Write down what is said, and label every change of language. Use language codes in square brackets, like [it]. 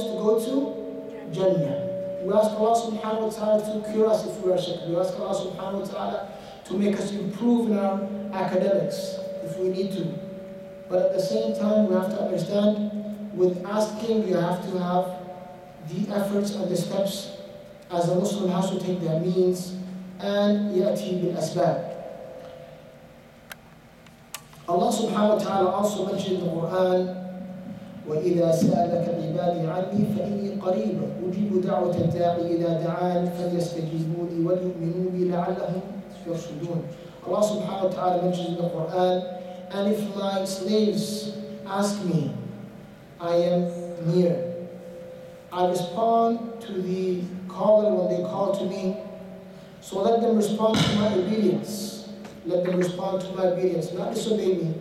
[en] To go to Jannah. We ask Allah subhanahu wa ta'ala to cure us if we are sick. We ask Allah subhanahu wa ta'ala to make us improve in our academics if we need to. But at the same time, we have to understand, with asking, you have to have the efforts and the steps, as a Muslim has to take their means, and [ar] يأتي بالأسباب. [en] Allah subhanahu wa ta'ala also mentioned in the Quran, [ar] وَإِذَا سَأَلَكَ عِبَادِي عَنِّي فَإِنِّي قَرِيبٌ أُجِيبُ دَعْوَةَ الدَّاعِ إِذَا دَعَانِ فَلْيَسْتَجِيبُوا لِي وَلْيُؤْمِنُوا بِي لَعَلَّهُمْ يَرْشُدُونَ. [en] Allah subhanahu wa ta'ala mentions in the Quran, and if my slaves ask me, I am near. I respond to the caller when they call to me. So let them respond to my obedience. Let them respond to my obedience. Not disobey me.